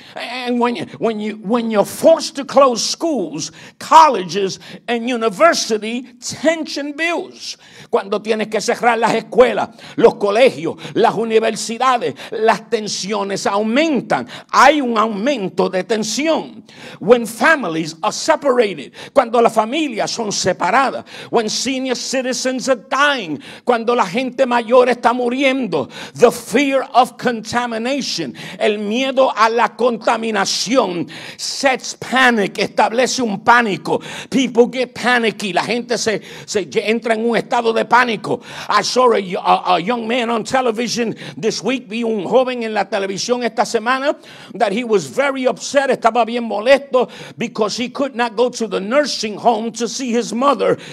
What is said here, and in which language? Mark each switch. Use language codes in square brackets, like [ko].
[en] And when you're forced to close schools, colleges, and university, tension builds. [es] Cuando tienes que cerrar las escuelas, los colegios, las universidades, las tensiones aumentan. Hay un aumento de tensión. [en] When families are separated, [es] cuando las familias son separadas, [en] when senior citizens are dying, [es] cuando la gente mayor está muriendo, [en] the fear of contamination, [es] el miedo a la contaminación, [en] sets panic, [es] establece un pánico. [en] People get panicky. [es] La gente se entra en un estado de pánico. [en] I saw a young man on television this week. [es] Vi un joven en la televisión esta semana [en] that he was very upset. [es] Estaba bien molesto [en] because he could not go to the nursing home to see his mother.